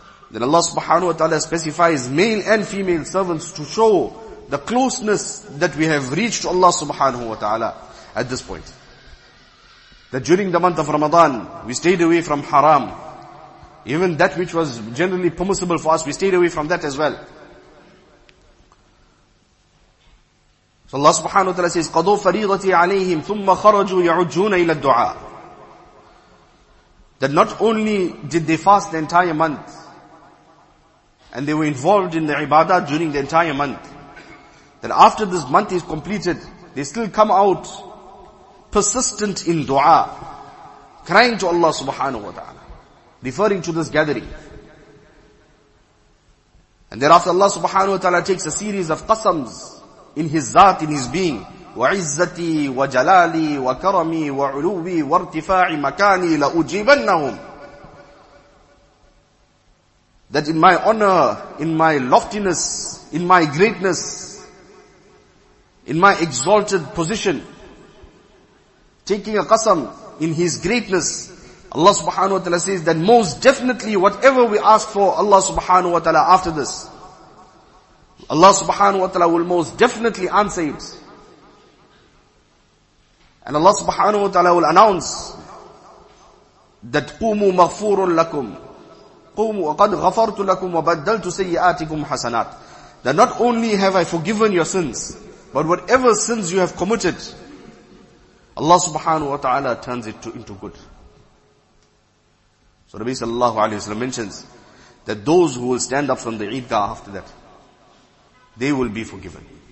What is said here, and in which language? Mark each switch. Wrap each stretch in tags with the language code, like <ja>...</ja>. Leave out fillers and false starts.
<en>Then Allah subhanahu wa ta'ala specifies male and female servants to show the closeness that we have reached to Allah subhanahu wa ta'ala at this point. That during the month of Ramadan, we stayed away from haram. Even that which was generally permissible for us, we stayed away from that as well. So Allah subhanahu wa ta'ala says,</en> <ar>قَضُوا فَرِيضَةِ عَلَيْهِمْ ثُمَّ خَرَجُوا يَعُجُّونَ إِلَى الدُّعَى.</ar> <en>That not only did they fast the entire month, and they were involved in the ibadah during the entire month, that after this month is completed, they still come out persistent in dua, crying to Allah subhanahu wa ta'ala, referring to this gathering. And thereafter Allah subhanahu wa ta'ala takes a series of qasams in his zat, in his being.</en> <ar>وَعِزَّتِي وَجَلَالِي وَكَرَمِي وَعُلُوِّي وَارْتِفَاعِ مَكَانِي لَأُجِيبَنَّهُمْ.</ar> <en>That in my honor, in my loftiness, in my greatness, in my exalted position, taking a qasam in his greatness, Allah subhanahu wa ta'ala says that most definitely whatever we ask for Allah subhanahu wa ta'ala after this, Allah subhanahu wa ta'ala will most definitely answer it. And Allah subhanahu wa ta'ala will announce that</en> <ar>قُومُ مَغْفُورٌ لَكُمْ قُومُ وَقَدْ غَفَرْتُ لَكُمْ وَبَدَّلْتُ سَيِّئَاتِكُمْ حَسَنَاتٍ.</ar> <en>That not only have I forgiven your sins, but whatever sins you have committed, Allah subhanahu wa ta'ala turns it into good. So Nabi sallallahu alayhi wa sallam mentions that those who will stand up from the Eidgah after that, they will be forgiven.</en>